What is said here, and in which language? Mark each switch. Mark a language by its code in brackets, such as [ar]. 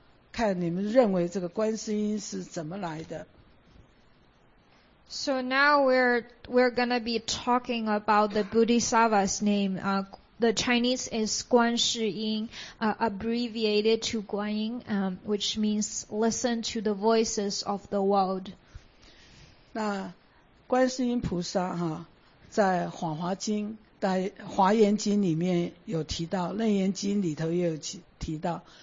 [zh] 看你们认为这个观世音是怎么来的。 [en] So now we're going to be talking about the Bodhisattva's name. The Chinese is Guan Shi Yin, abbreviated to Guan Yin, which means listen to the voices of the world. [zh] 那观世音菩萨在华严经里面有提到，楞严经里头也有提到。